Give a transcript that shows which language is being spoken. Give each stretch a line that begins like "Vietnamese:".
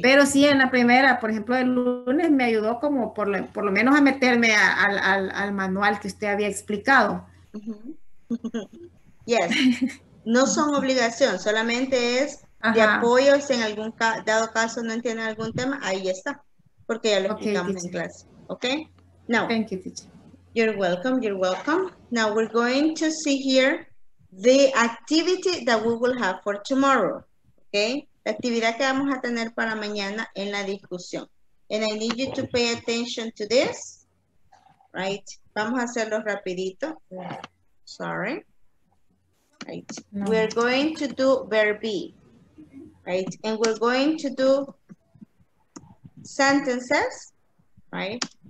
Spanish: Pero sí, en la primera, por ejemplo, el lunes me ayudó como por lo menos a meterme al manual que usted había explicado.
English: Yes.
Spanish: No son obligación, solamente es de apoyo si en algún dado caso no entienden algún tema, ahí está, porque ya lo explicamos en clase.
English: Ok. No. Thank you, teacher. You're welcome, you're welcome. Now we're going to see here the activity that we will have for tomorrow, okay?
Spanish: La actividad que vamos a tener para mañana en la discusión.
English: And I need you to pay attention to this, right?
Spanish: Vamos a hacerlo rapidito.
English: Sorry. Right. We're going to do verb B, right? And we're going to do sentences, right?